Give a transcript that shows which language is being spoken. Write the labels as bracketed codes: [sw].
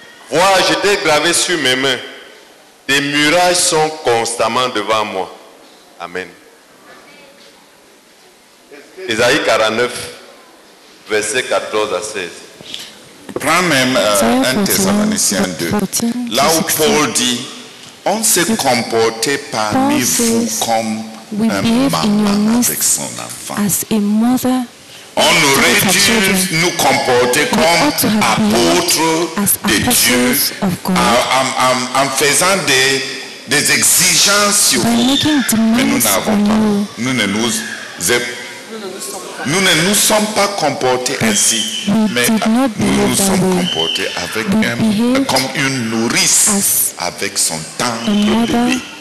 [fr] Vois, je t'ai gravé sur mes mains. Des murailles sont constamment devant moi. Amen. Ésaïe 49, versets 14 à 16. Prends même 1 Thessaloniciens 2, là où Paul dit, on s'est comporté parmi vous comme [en] We behave in your midst as a mother. [fr] On aurait-tu nous comporté comme apôtres de Dieu en faisant des exigences sur vous? Mais nous n'avons pas. Nous ne nous sommes pas comportés ainsi, mais nous nous sommes comportés avec comme une nourrice avec son temps de bébé.